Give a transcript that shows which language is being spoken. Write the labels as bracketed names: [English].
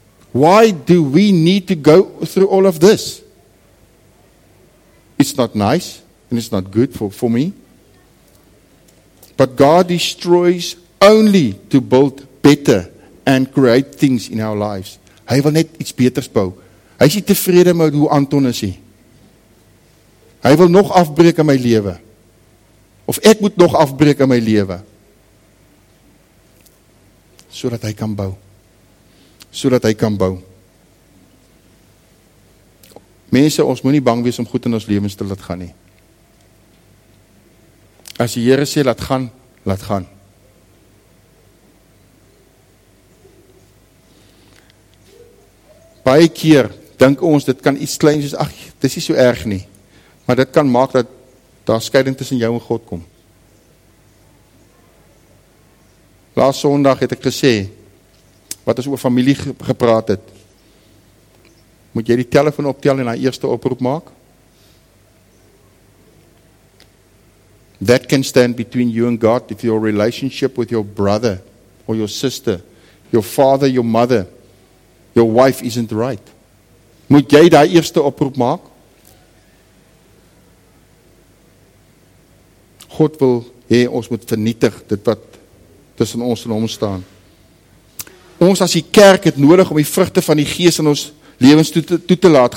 [English] Why do we need to go through all of this? It's not nice, and it's not good for me. But God destroys only to build better and create things in our lives. [Afrikaans] Hy wil net iets beters bou. Hy is nie tevrede met hoe Anton is nie. Hy wil nog afbreek in my lewe. Of ek moet nog afbreek in my lewe. Sodat hy kan bou. Sodat hy kan bou. Mense, ons moet nie bang wees om goed in ons lewens te laat gaan nie. As die Here sê laat gaan, laat gaan. Baie keer dink ons dit kan iets klein soos, ach, dis nie so erg nie. Maar dit kan maak dat daar skeiding tussen jou en God kom. Laas Sondag het ek gesê, wat ons oor familie gepraat het, moet jy die telefoon optel en die eerste oproep maak? [English] That can stand between you and God if your relationship with your brother or your sister, your father, your mother, your wife isn't right. [Afrikaans] Moet jy die eerste oproep maak? God wil hê ons moet vernietig dit wat tussen ons en hom staan. Ons as die kerk het nodig om die vrugte van die Gees in ons lewens toe te laat.